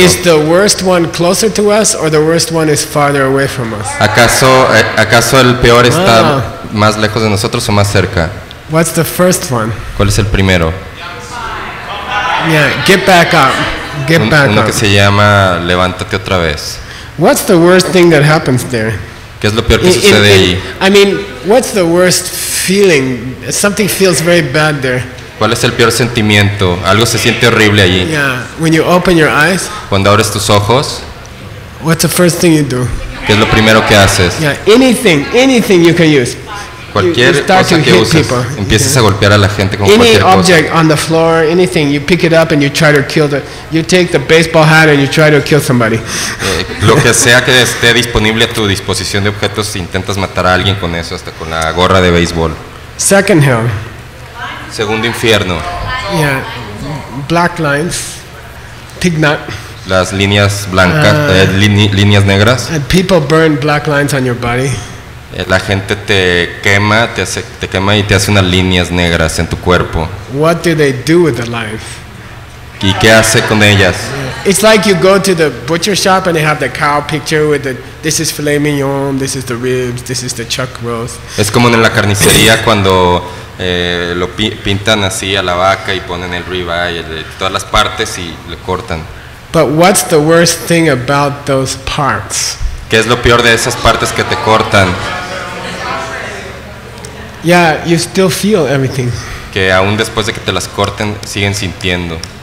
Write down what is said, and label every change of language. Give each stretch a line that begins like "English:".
English: Is the worst one closer to us or the worst one is farther away from us?
Spanish: ¿Acaso el peor está más lejos de nosotros o más cerca?
English: What's the first one?
Spanish: ¿Cuál es el primero?
English: Yeah, get back up. get back
Spanish: uno que se llama Levántate otra vez.
English: What's the worst thing that happens there?
Spanish: ¿Qué es lo peor que sucede ahí?
English: I mean, what's the worst feeling? Something feels very bad there.
Spanish: ¿Cuál es el peor sentimiento? Algo se siente horrible allí.
English: Yeah, when you open your eyes.
Spanish: Cuando abres tus ojos.
English: What's the first thing you do?
Spanish: ¿Qué es lo primero que haces?
English: Yeah, anything you can use.
Spanish: Cualquier cosa que uses, people. Empiezas a golpear a la gente con cualquier cosa.
English: Any object on the floor, anything, you pick it up and you try to kill the. You take the baseball hat and you try to kill somebody.
Spanish: Lo que sea que esté disponible a tu disposición de objetos, intentas matar a alguien con eso, hasta con la gorra de béisbol.
English: Second hell.
Spanish: Segundo infierno.
English: Yeah, black lines. Tignat.
Spanish: Las líneas blancas, líneas negras.
English: And people burn black lines on your body.
Spanish: La gente te quema y te hace unas líneas negras en tu cuerpo.
English: What do they do with the life?
Spanish: ¿Y qué hace con ellas?
English: It's like you go to the butcher shop and they have the cow picture with the this is filet mignon, this is the ribs, this is the chuck roast.
Spanish: Es como en la carnicería cuando lo pintan así a la vaca y ponen el ribeye de todas las partes y le cortan.
English: But what's the worst thing about those parts?
Spanish: ¿Qué es lo peor de esas partes que te cortan?
English: Yeah, you still feel everything.
Spanish: Que aún después de que te las corten, siguen sintiendo.